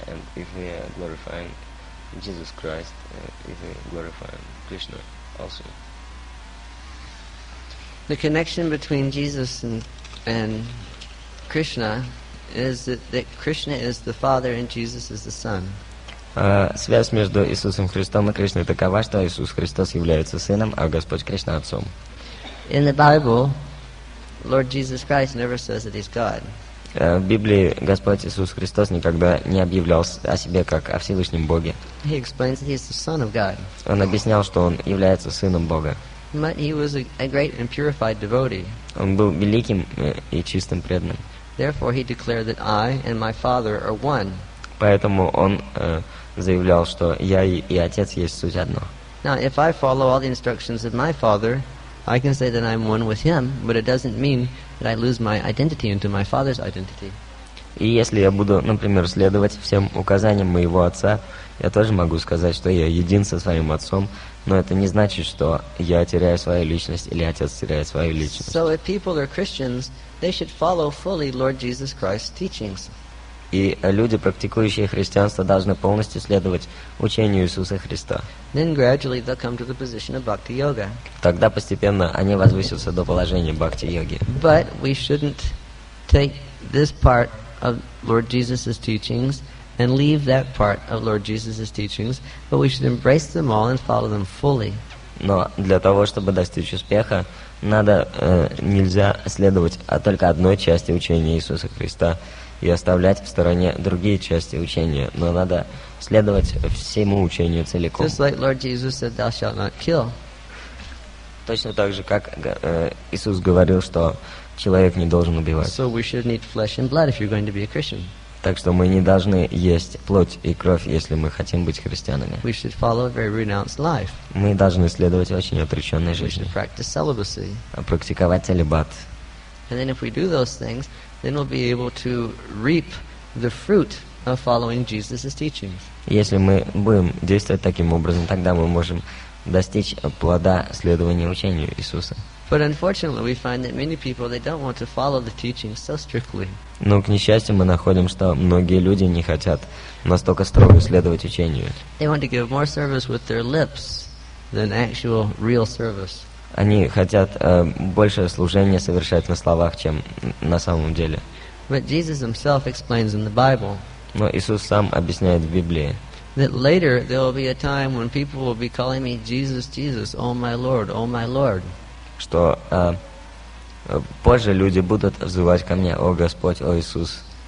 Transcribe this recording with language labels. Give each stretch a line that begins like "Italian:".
English: And if we are glorifying Jesus Christ, if we glorify Krishna also? The connection between Jesus and Krishna is that Krishna is the Father and Jesus is the Son.
Russian: Связь между Иисусом Христом и Кришной такова, что Иисус Христос является Сыном, а Господь Кришна Отцом.
English: In the Bible, Lord Jesus Christ never says that he's God.
Russian: В Библии Господь Иисус Христос никогда не объявлял о себе как о Всевышнем Боге.
English: He explains that he's the Son of God.
Russian: Он объяснял, что он является Сыном Бога.
English: But he was a great and purified devotee.
Russian: Он был великим и чистым преданным.
English: Therefore, he declared that I and my Father are one.
Russian: Поэтому он заявлял, что я и отец есть суть одно.
English: Now, if I follow all the instructions of my father, I can say that I'm one with him, but it doesn't mean that I lose my identity into my father's identity.
Russian: И если я буду, например, следовать всем указаниям моего отца, я тоже могу сказать, что я един со своим отцом, но это не значит, что я теряю свою личность или отец теряет свою личность.
English: So if people are Christians, they should follow fully Lord Jesus Christ's teachings.
Russian: И люди, практикующие христианство, должны полностью следовать учению Иисуса Христа.
English: Then gradually they'll come to the position of bhakti-yoga.
Russian: Тогда постепенно они возвысятся до положения бхакти-йоги.
English: But we shouldn't take this part of Lord Jesus's teachings and leave that part of Lord Jesus's teachings, but we should embrace them all and follow them fully.
Russian: Но для того, чтобы достичь успеха, надо нельзя следовать только одной части учения Иисуса Христа и оставлять в стороне другие части учения, но надо следовать всему учению целиком.
English: Just like Lord Jesus said, "Thou shalt not kill."
Russian: Точно так же, как Иисус говорил, что человек не должен убивать.
English: So we shouldn't eat flesh and blood if you're going to be a Christian.
Russian: Так что мы не должны есть плоть и кровь, если мы хотим быть христианами.
English: We should follow a very renounced life.
Russian: Мы должны следовать очень отреченной жизни.
English: We should practice celibacy.
Russian: Практиковать целибат.
English: And then if we do those things, then we'll be able to reap the fruit of following Jesus's teachings.
Russian: Если мы будем действовать таким образом, тогда мы можем достичь плода следования учению Иисуса.
English: But unfortunately, we find that many people, they don't want to follow the teachings so strictly.
Russian: Но к несчастью, мы находим, что многие люди не хотят настолько строго следовать учению.
English: They want to give more service with their lips than actual real service.
Russian: Они хотят больше служения совершать на словах, чем на самом деле.
English: But Jesus himself explains in the Bible,
Russian: но Иисус сам объясняет в Библии,
English: that later there will be a time when people will be calling me Jesus, Jesus, O my Lord, O my Lord.
Russian: Что позже люди будут взывать ко мне, о Господь, о Иисус.